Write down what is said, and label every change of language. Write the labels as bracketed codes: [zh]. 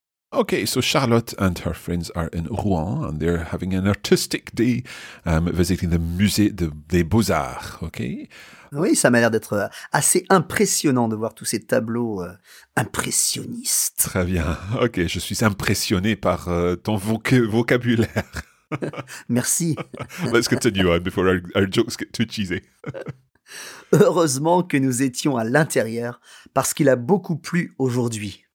[en] Okay, so Charlotte and her friends are in Rouen and they're having an artistic day visiting the Musée des Beaux-Arts, okay? [fr] Oui, ça m'a l'air d'être assez impressionnant de voir tous ces tableaux impressionnistes. Très bien, okay, je suis impressionné par ton vocabulaire. Merci. [en] Let's continue on before our jokes get too cheesy. [fr] Heureusement que nous étions à l'intérieur parce qu'il a beaucoup plu aujourd'hui.